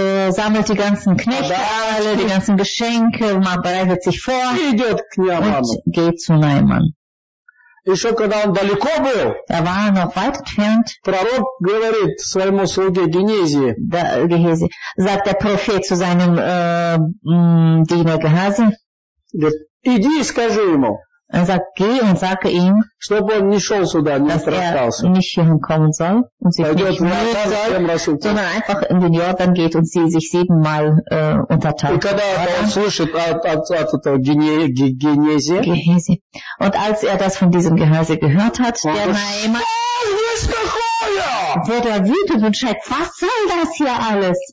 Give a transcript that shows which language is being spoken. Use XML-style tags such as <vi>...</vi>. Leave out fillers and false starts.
<de>Sammelt die ganzen Knechte, alle die ganzen Geschenke, man bereitet sich vor.</de> <ru>Идет к Наиману.</ru> <de>Und geht zu Наиман.</de> <ru>Еще когда он далеко был,</ru> <de>war noch weit entfernt,</de> <ru>пророк говорит своему слуге Генезии,</ru> <de>da, Gehazi, sagt der Prophet zu seinem Diener Gehazi,</de> <ru>говорит, иди и скажи ему,</ru> <de>sagt, geh und sag ihm,</de> <ru>чтобы он не шел сюда, не отрастался,</ru> <de>nicht hierher kommen soll, und sich nicht</de> <ru>мирится,</ru> <de>sondern einfach in den Jordan geht und sie sich siebenmal untertan.</de> <ru>И когда он слышит от этого Генезия,</ru> <de>Gehazi. Und als das von diesem Gehazi gehört hat, wurde wütend und schreit, was soll das hier alles?</de>